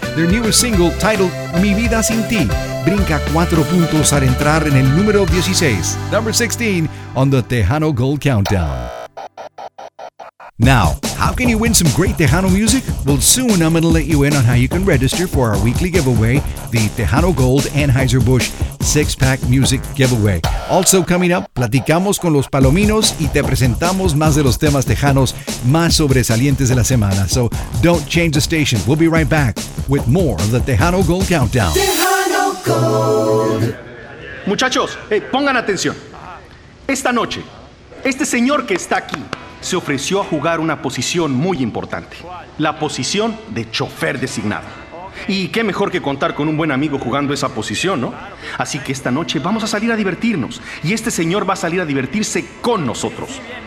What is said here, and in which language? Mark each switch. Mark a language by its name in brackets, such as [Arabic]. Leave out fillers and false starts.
[English] Their newest single, titled Mi Vida Sin Ti, [Spanish] brinca 4 puntos al entrar en el número 16, [English] number 16, on the Tejano Gold Countdown. Now, how can you win some great Tejano music? Well, soon I'm going to let you in on how you can register for our weekly giveaway, the Tejano Gold Anheuser-Busch 6-Pack Music Giveaway. Also coming up, [Spanish] platicamos con los palominos y te presentamos más de los temas tejanos más sobresalientes de la semana. [English] So don't change the station. We'll be right back with more of the Tejano Gold Countdown. Tejano Gold. [Spanish] Muchachos, hey, pongan atención. Esta noche, este señor que está aquí se ofreció a jugar una posición muy importante. La posición de chofer designado. Y qué mejor que contar con un buen amigo jugando esa posición, ¿no? Así que esta noche vamos a salir a divertirnos. Y este señor va a salir a divertirse con nosotros.